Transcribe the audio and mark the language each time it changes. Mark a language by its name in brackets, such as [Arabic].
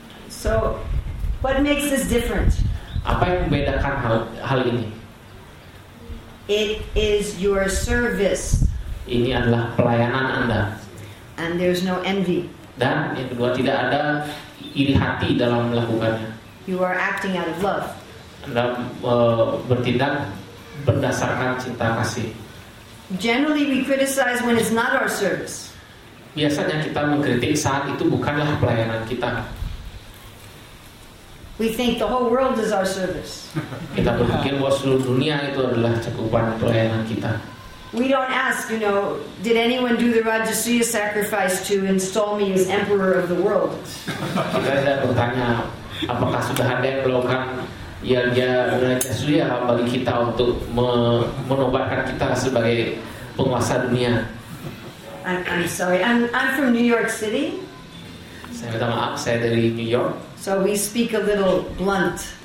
[English] So, what makes this different? [Indonesian] Apa yang membedakan hal ini? [English] It is your service. [Indonesian] Ini adalah pelayanan Anda. [English] And there's no envy. [Indonesian] Dan yang kedua, tidak ada iri hati dalam melakukannya. [English] You are acting out of love. [Indonesian] Anda bertindak berdasarkan cinta kasih. [English] Generally we criticize when it's not our service. [Indonesian] Biasanya kita mengkritik saat itu bukanlah pelayanan kita. [English] We think the whole world is our service. [Indonesian] Kita berpikir bahwa seluruh dunia itu adalah cakupan pelayanan kita. [English] We don't ask, you know, did anyone do the Rajasuya sacrifice to install me as emperor of the world? [Indonesian] Kita tidak bertanya apakah sudah ada yang melakukan yagya Rajasuya bagi kita untuk menobatkan kita sebagai penguasa dunia. [English] I'm sorry, I'm from New York City. [Indonesian] Saya minta maaf, saya dari New York. [English] So we speak a little blunt.